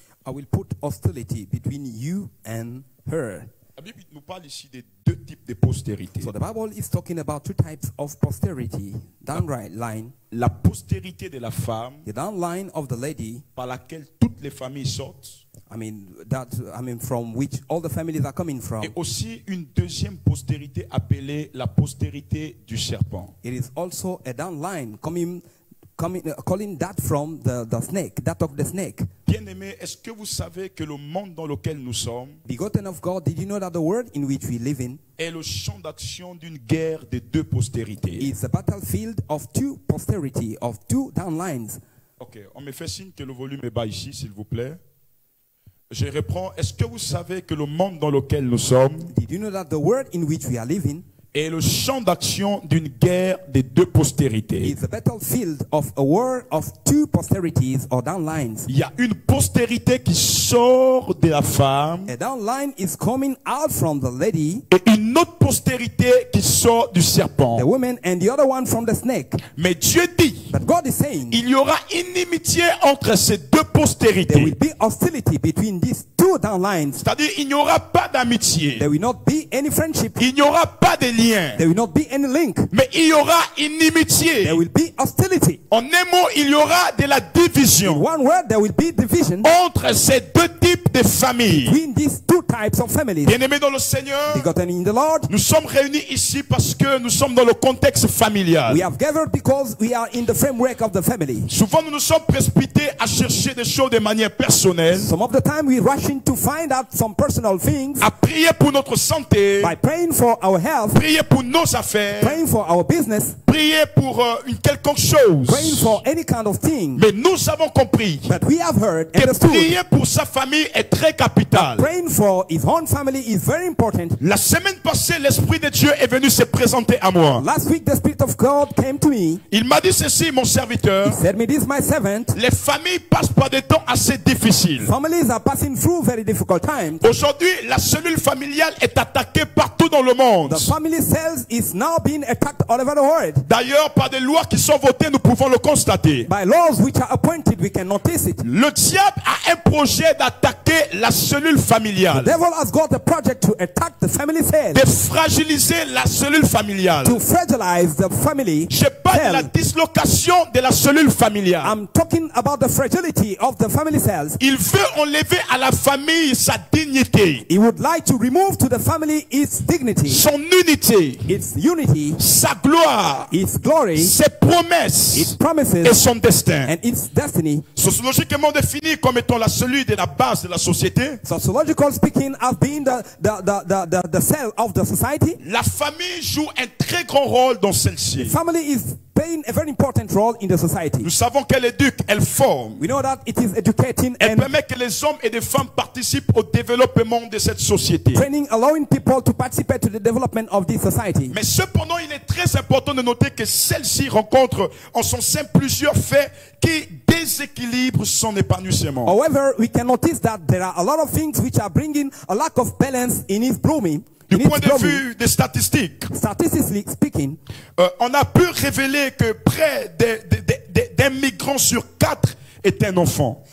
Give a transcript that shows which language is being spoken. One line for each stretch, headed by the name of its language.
English: I will put hostility between you and her.
French: La Bible nous parle ici des deux types de postérité.
English: So the Bible is talking about two types of posterity. Downright line.
French: La postérité de la femme.
English: The downline of the lady.
French: Par laquelle toutes les familles sortent.
English: From which all the families are coming from.
French: Et aussi une deuxième postérité appelée la postérité du serpent.
English: It is also a downline calling that from the snake, that of the snake.
French: Bien-aimé, est-ce que vous savez que le monde dans lequel nous sommes,
English: begotten of God, did you know that the world in which we live in,
French: est le champ d'action d'une guerre des deux postérités.
English: It's a battlefield of two posterity, of two downlines.
French: Ok, on me fait signe que le volume est bas ici, s'il vous plaît. Je reprends, est-ce que vous savez que le monde dans lequel nous sommes,
English: did you know that the world in which we are living,
French: est le champ d'action d'une guerre des deux postérités.
English: It's a battlefield of a war of two posterities or downlines.
French: Il y a une postérité qui sort de la femme.
English: A downline is coming out from the lady.
French: Et une autre postérité qui sort du serpent.
English: The woman and the other one from the snake.
French: Mais Dieu dit,
English: but God is saying,
French: il y aura inimitié entre ces deux postérités.
English: There will be hostility between these two downlines.
French: C'est-à-dire, il n'y aura pas d'amitié.
English: There will not be any friendship.
French: Il n'y aura pas de lien.
English: There will not be any link.
French: Mais il y aura inimitié.
English: There will be hostility.
French: En un mot, il y aura de la division.
English: In one word, there will be division.
French: Entre ces deux types de familles.
English: Between these two types of families.
French: Bien-aimés dans le Seigneur.
English: Begotten in the Lord.
French: Nous sommes réunis ici parce que nous sommes dans le contexte familial.
English: We have gathered because we are in the framework of the family.
French: Souvent nous nous sommes précipités à chercher des choses de manière personnelle.
English: Some of the time we rush in to find out some personal things.
French: À prier pour notre santé.
English: By praying for our health.
French: Prier pour nos affaires.
English: Praying for our business.
French: Prier pour une quelconque chose.
English: Praying for any kind of thing.
French: Mais nous avons compris.
English: But we have heard and understood.
French: Prier pour sa famille est très capital.
English: Praying for his own family is very important.
French: La semaine passée, l'Esprit de Dieu est venu se présenter à moi.
English: Last week, the Spirit of God came to me.
French: Il m'a dit ceci, mon serviteur.
English: He said me this, my servant.
French: Les familles passent par des temps assez difficiles.
English: Families are passing through very difficult times.
French: Aujourd'hui, la cellule familiale est attaquée partout dans le monde.
English: The family cells is now being attacked all over the world.
French: D'ailleurs, par des lois qui sont votées, nous pouvons le constater.
English: By laws which are appointed, we can notice it.
French: Le diable a un projet d'attaquer la cellule familiale.
English: The devil has got a project to attack the family cell.
French: De fragiliser la cellule familiale.
English: To fragilize the family.
French: Je parle de la dislocation de la cellule familiale.
English: I'm talking about the fragility of the family cells.
French: Il veut enlever à la famille sa dignité.
English: He would like to remove to the family its dignity.
French: Son unité.
English: Its unity.
French: Sa gloire.
English: His glory,
French: ses promesses,
English: his promises,
French: et son destin.
English: And its destiny.
French: Sociologiquement défini comme étant la cellule de la base de la société.
English: Sociologically speaking, as being the cell of the society.
French: La famille joue un très grand rôle dans celle-ci.
English: The family is playing a very important role in the society.
French: Nous savons qu'elle éduque, elle forme.
English: We know that it is educating
French: elle and permet que les hommes et les femmes participent au développement de cette société.
English: Training, allowing people to participate to the development of this society.
French: Mais cependant, il est très important de noter que celle-ci rencontre en son sein plusieurs faits qui déséquilibrent son épanouissement.
English: However, we can notice that there are a lot of things which are bringing a lack of balance in his blooming.
French: Du point de vue des statistiques,
English: statistically speaking,
French: on a pu révéler que près d'un migrant sur quatre est un enfant.